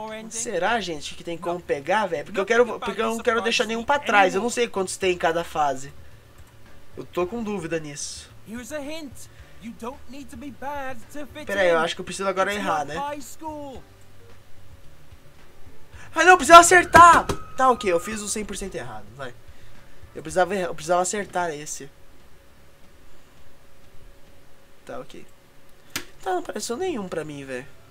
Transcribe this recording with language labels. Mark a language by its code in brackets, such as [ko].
[pt] Será, gente, que tem como pegar, velho? Porque eu não quero deixar nenhum pra trás. Eu não sei quantos tem em cada fase. Eu tô com dúvida nisso. [en] Here's a hint. You don't need to be bad to fit. [pt] Peraí, eu acho que eu preciso agora errar, né? Ah, não, eu precisava acertar! Tá, ok, eu fiz o 100% errado, vai. Eu precisava acertar esse. Tá, ok. Tá, não apareceu nenhum pra mim, velho.